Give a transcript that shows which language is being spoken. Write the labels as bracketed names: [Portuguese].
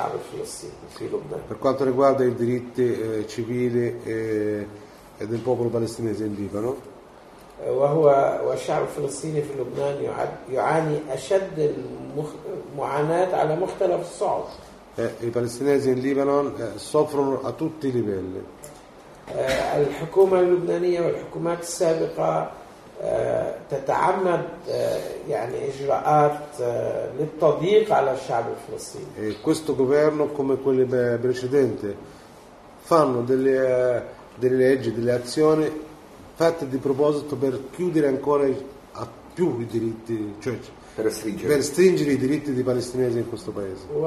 [Italian] Per quanto riguarda i diritti civili e del popolo palestinese in Libano, [Arabic] والشعب الفلسطيني في لبنان يعاني أشد المعاناة على مختلف الصعد. الفلسطينيين في لبنان يعانون على [Italian] tutti i livelli. [Arabic] الحكومة اللبنانية والحكومات السابقة تتعمد يعني إجراءات للتضييق على الشعب الفلسطيني. [Italian] Questo governo come quelli precedenti fanno delle leggi, delle azioni fatte di proposito per chiudere ancora a più i diritti, cioè per stringere i diritti dei palestinesi in questo paese.